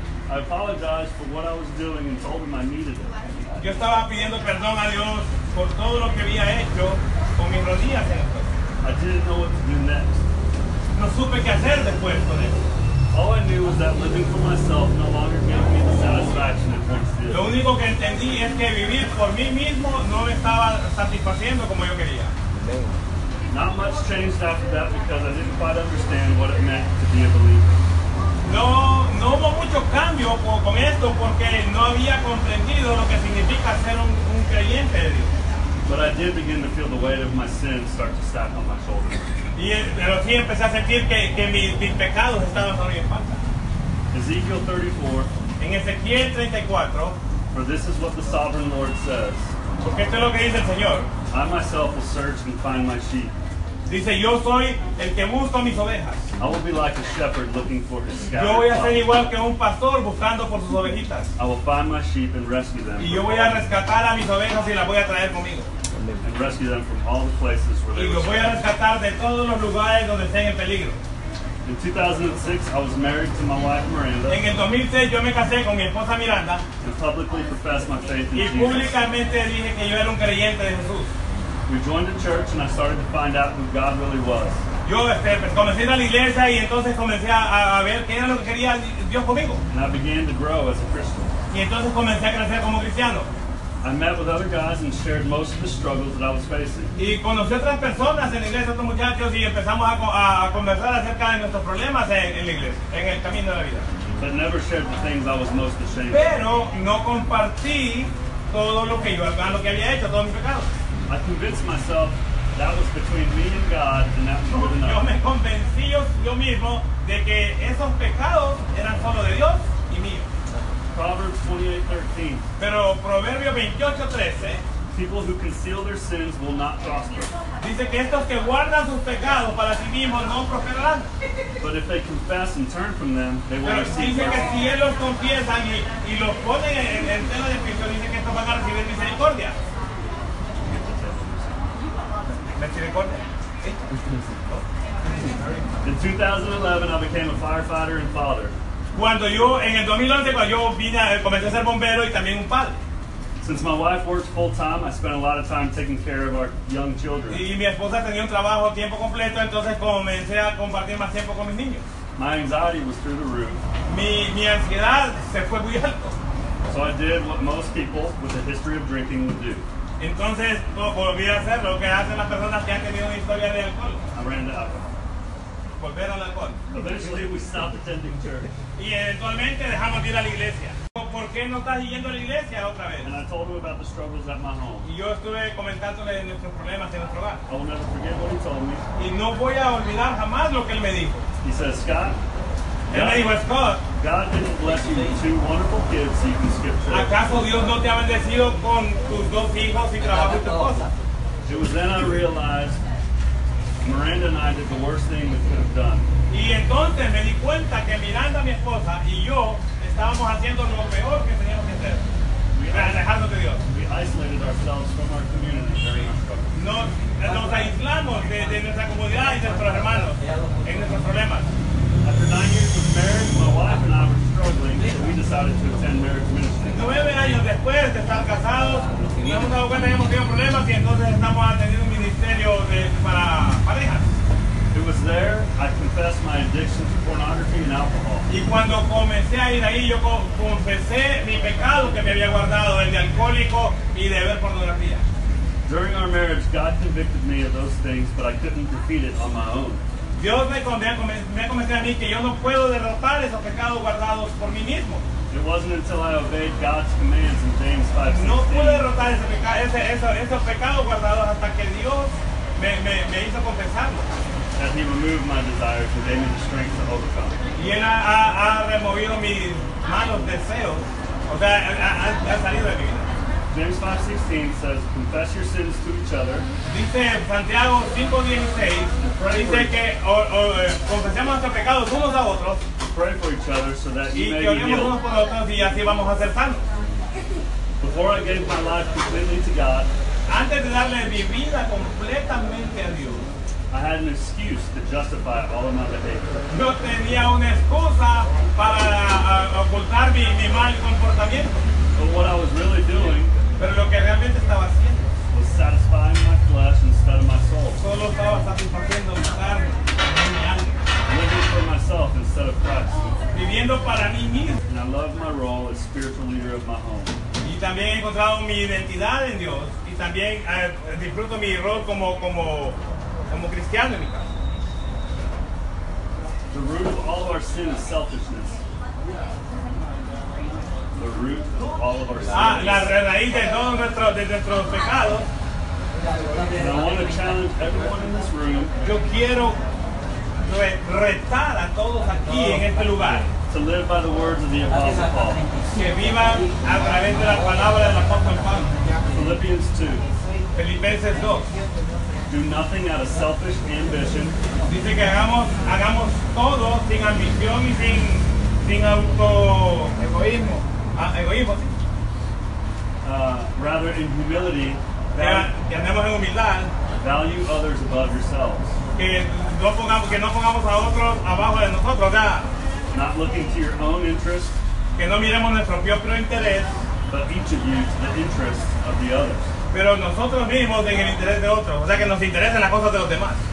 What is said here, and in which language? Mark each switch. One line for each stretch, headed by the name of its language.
English: I apologized for what I was doing and told him I needed it.
Spanish: Yo estaba pidiendo perdón a Dios por todo lo que había hecho con mis rodillas.
English: I didn't know what to do next.
Spanish: No supe qué hacer después con eso.
English: All I knew was that living for myself no longer gave me the satisfaction it once did.
Spanish: Lo único que entendí es que vivir por mí mismo no me estaba satisfaciendo como yo quería.
English: Not much changed after that because I didn't quite understand what it meant to be a believer.
Spanish: No hubo mucho cambio con esto porque no había comprendido lo que significa ser un creyente de Dios.
English: But I did begin to feel the weight of my sins start to stack on my shoulders.
Spanish: Pero sí empecé a sentir que mis pecados estaban sobre mi espalda.
English: Ezekiel 34.
Spanish: En Ezequiel 34.
English: For this is what the Sovereign Lord says.
Spanish: Porque esto es lo que dice el Señor.
English: I myself will search and find my sheep.
Spanish: Dice, yo soy el que busco mis ovejas.
English: I will be like a shepherd looking for his scattered.
Spanish: Yo voy a ser igual que un pastor buscando por sus ovejitas.
English: I will find my sheep and rescue them.
Spanish: Y yo voy a rescatar a mis ovejas y las voy a traer conmigo.
English: And rescue them from all the places where they were.
Spanish: Y los voy a rescatar de todos los lugares donde estén en peligro.
English: In 2006, I was married to my wife Miranda.
Spanish: En el 2006 yo me casé con mi esposa Miranda.
English: And publicly professed my faith in
Spanish: Jesus. Y públicamente dije que yo era un creyente de Jesús.
English: We joined the church and I started to find out who God really was.
Spanish: Yo comencé a la iglesia y entonces comencé a ver qué era lo que quería Dios conmigo.
English: And I began to grow as a Christian.
Spanish: Y entonces comencé a crecer como cristiano.
English: I met with other guys and shared most of the struggles that I was facing.
Spanish: Y conocí otras personas en la iglesia, otros muchachos, y empezamos a conversar acerca de nuestros problemas en la iglesia, en el camino de la vida.
English: But never shared the things I was most ashamed of.
Spanish: Pero no compartí todo lo que yo lo que había hecho, todos mis pecados.
English: I convinced myself that was between me and God, and that was good enough.
Spanish: Yo me convencí yo mismo de que esos pecados eran solo de Dios y mío.
English: Proverbs 28:13.
Spanish: Pero Proverbios 28:13.
English: People who conceal their sins will not prosper.
Spanish: Dice que estos que guardan sus pecados para sí mismos no prosperarán.
English: But if they confess and turn from them, they will receive mercy.
Spanish: Dice que si ellos confiesan y los ponen en tela de juicio, dice que estos van a recibir misericordia.
English: In 2011, I became a firefighter and father.
Spanish: Cuando yo en el 2011 cuando yo vine comencé a ser bombero y también un padre.
English: Since my wife works full time, I spent a lot of time taking care of our young children.
Spanish: Y mi esposa tenía un trabajo tiempo completo, entonces comencé a compartir más tiempo con mis niños.
English: My anxiety was through the roof.
Spanish: Mi ansiedad se fue muy alto.
English: So I did what most people with a history of drinking would do.
Spanish: Entonces, volví a hacer lo que hacen las personas que han tenido una historia de alcohol.
English: I ran to alcohol.
Spanish: Volver al alcohol.
English: Eventually, we stopped attending church.
Spanish: Y eventualmente dejamos de ir a la iglesia. ¿Por qué no estás yendo a la iglesia otra vez?
English: And I told him about the struggles at my home.
Spanish: Y yo estuve comentándole de nuestros problemas en nuestro hogar.
English: I will never forget what he told me.
Spanish: Y no voy a olvidar jamás lo que él me dijo.
English: He says, Scott.
Spanish: God, me dijo, Scott,
English: God didn't bless you with two wonderful kids so you can skip church.
Spanish: ¿Acaso Dios no te ha bendecido con tus dos hijos y trabajo y tu esposa?
English: It was then I realized Miranda and I did the worst thing we could have done.
Spanish: Y entonces me di cuenta que Miranda, mi esposa, y yo estábamos haciendo lo peor que teníamos que hacer. Alejándote de Dios.
English: We isolated ourselves from our community.
Spanish: Nos aislamos de nuestra comunidad y de nuestros hermanos en nuestros problemas.
English: After 9 years of marriage, my wife and I were struggling, so we decided. decided to attend marriage ministry.
Spanish: 9 años después de estar casados, nos hemos dado cuenta que hemos tenido problemas y entonces estamos atendiendo un ministerio de para parejas.
English: It was there I confessed my addiction to pornography and alcohol.
Spanish: Y cuando comencé a ir ahí, yo confesé mi pecado que me había guardado, el de alcohólico y de ver pornografía.
English: During our marriage, God convicted me of those things, but I couldn't defeat it on my own.
Spanish: Dios me convenció a mí que yo no puedo derrotar esos pecados guardados por mí mismo.
English: It wasn't until I obeyed God's commands in James 5:16.
Spanish: No pude derrotar esos pecados guardados hasta que Dios me hizo confesarlo.
English: That He removed my desire to gave me the strength to overcome.
Spanish: Y Él ha removido mis malos deseos. O sea, ha salido de mi vida.
English: James 5:16 says, confess your sins to each other.
Spanish: Dice Santiago 5:16, dice que confesemos nuestros pecados unos a otros.
English: Pray for each other so that you may be healed.
Spanish: Y oremos unos por otros y así vamos a ser sanos.
English: Before I gave my life completely to God,
Spanish: antes de darle mi vida completamente a Dios,
English: I had an excuse to justify all of my behavior.
Spanish: Yo tenía una excusa para ocultar mi mal comportamiento.
English: But what I was really doing,
Spanish: pero lo que realmente estaba haciendo,
English: was satisfying my flesh instead of my soul.
Spanish: Solo estaba satisfaciendo mi carne, mi alma.
English: Living for myself instead of Christ.
Spanish: Viviendo para mí mismo.
English: And I love my role as spiritual leader of my home.
Spanish: Y también he encontrado mi identidad en Dios. Y también disfruto mi rol como cristiano en mi casa.
English: The root of all of our sin is selfishness. The root of all of our sins.
Spanish: La raíz de todos nuestros pecados.
English: And I want to challenge everyone in this room.
Spanish: Yo quiero retar a todos aquí en este lugar.
English: To live by the words of the Apostle Paul.
Spanish: Que vivan a través de la palabra del Apóstol Pablo.
English: Philippians 2.
Spanish: Filipenses 2.
English: Do nothing out of selfish ambition.
Spanish: Dice que hagamos todo sin ambición y sin autoegoísmo.
English: Rather in humility,
Spanish: que andemos en humildad,
English: value others above yourselves.
Spanish: Que no pongamos a otros abajo de nosotros, ya.
English: Not looking to your own interest.
Spanish: Que no miremos nuestro propio interés.
English: But each of you to the interest of the others.
Spanish: Pero nosotros mismos en el interés de otros. O sea, que nos interesen las cosas de los demás.